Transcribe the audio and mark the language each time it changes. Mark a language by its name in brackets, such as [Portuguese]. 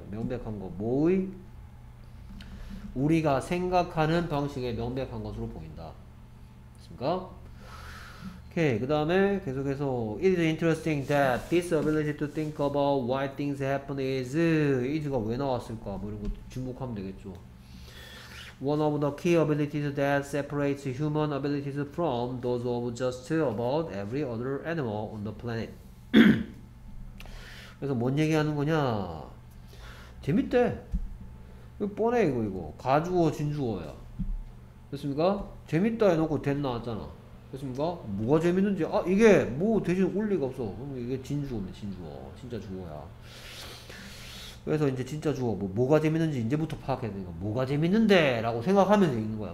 [Korean] 명백한 거 뭐의 우리가 생각하는 방식의 명백한 것으로 보인다. 됐습니까? 오케이. 그 다음에 계속해서 [English] It is interesting that this ability to think about why things happen is [Korean] 가 왜 나왔을까? 뭐 이런 것도 주목하면 되겠죠. [English] One of the key abilities that separates human abilities from those of just about every other animal on the planet. [Korean] 그래서 뭔 얘기하는 거냐? 재밌대. 뻔해 이거 가주어 진주어야. 됐습니까? 재밌다 해놓고 됐 나왔잖아. 됐습니까? 뭐가 재밌는지 이게 뭐 대신 올 리가 없어. 그럼 이게 진주어면 진주어 진짜 주어야. 그래서 이제 진짜 주어 뭐가 재밌는지 이제부터 파악해야 되니까 뭐가 재밌는데 라고 생각하면서 읽는 거야.